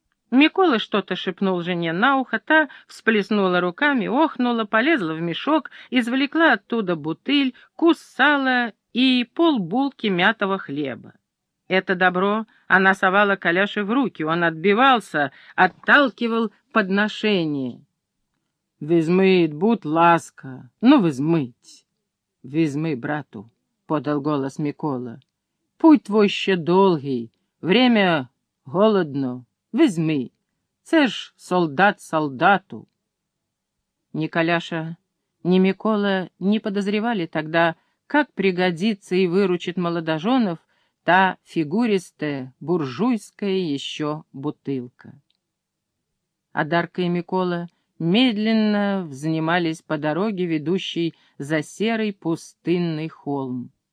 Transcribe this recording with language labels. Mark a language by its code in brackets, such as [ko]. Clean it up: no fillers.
[ru] Микола что-то шепнул жене на ухо, та всплеснула руками, охнула, полезла в мешок, извлекла оттуда бутыль, кус сала и полбулки мятого хлеба. Это добро она совала Каляше в руки, он отбивался, отталкивал подношение. [uk] «Візьмить, будь ласка, ну візьмить!» «Візьми, брату», — подав голос Микола. «Путь твой ще довгий, время голодно, візьми, це ж солдат солдату!» [ru] Ні Каляша, ні Микола не подозревали тогда, как пригодится и выручит молодоженов та фигуристая буржуйская еще бутылка. А Дарка и Микола медленно взнимались по дороге, ведущей за серый пустынный холм.